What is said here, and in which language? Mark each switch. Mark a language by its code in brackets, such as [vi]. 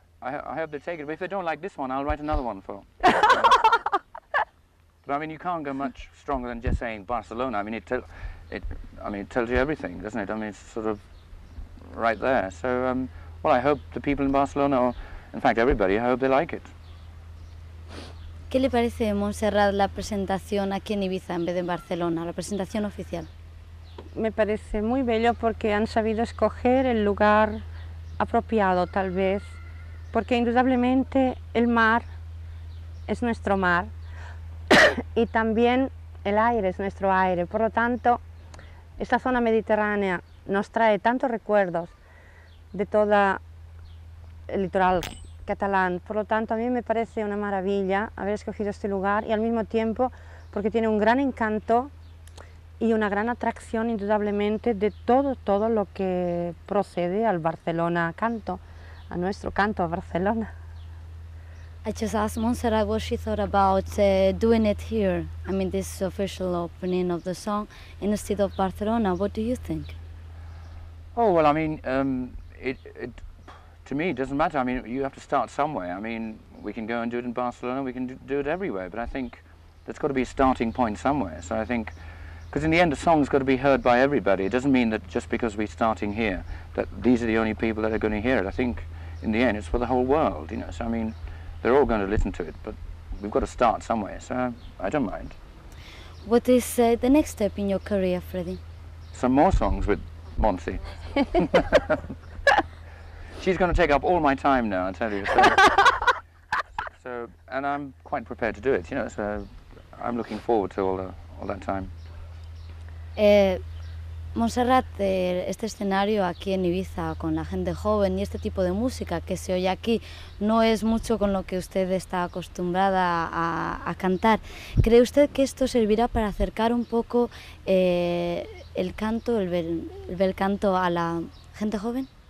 [en] I hope they take it. But if they don't like this one, I'll write another one for them. But I mean, you can't go much stronger than just saying Barcelona. I mean, it tells you everything, doesn't it? I mean, it's sort of right there. So, well, I hope the people in Barcelona, or in fact, everybody, I hope they like it. [es] ¿Qué le parece, Montserrat, la presentación aquí en Ibiza en vez de en Barcelona, la presentación oficial? Me parece muy bello porque han sabido escoger el lugar apropiado, tal vez, porque indudablemente el mar es nuestro mar y también El aire es nuestro aire, por lo tanto, esta zona mediterránea nos trae tantos recuerdos de todo el litoral catalán. Por lo tanto, a mí me parece una maravilla haber escogido este lugar y al mismo tiempo porque tiene un gran encanto y una gran atracción indudablemente de todo lo que procede al Barcelona canto, a nuestro canto a Barcelona. [en] I just asked Montserrat what she thought about doing it here. I mean, this official opening of the song in the city of Barcelona. What do you think? Oh, well, I mean, it to me, it doesn't matter. I mean, you have to start somewhere. I mean, we can go and do it in Barcelona, we can do it everywhere, but I think there's got to be a starting point somewhere. So I think, because in the end, the song's got to be heard by everybody. It doesn't mean that just because we're starting here, that these are the only people that are going to hear it. I think, in the end, it's for the whole world, you know, so I mean, they're all going to listen to it, but we've got to start somewhere, so I don't mind. What is the next step in your career, Freddy? Some more songs with Monty. She's going to take up all my time now, I tell you. So, and I'm quite prepared to do it, you know, so I'm looking forward to all that time. [es] Montserrat, este escenario aquí en Ibiza con la gente joven y este tipo de música que se oye aquí no es mucho con lo que usted está acostumbrada a cantar. ¿Cree usted que esto servirá para acercar un poco el canto, el bel canto a la gente joven?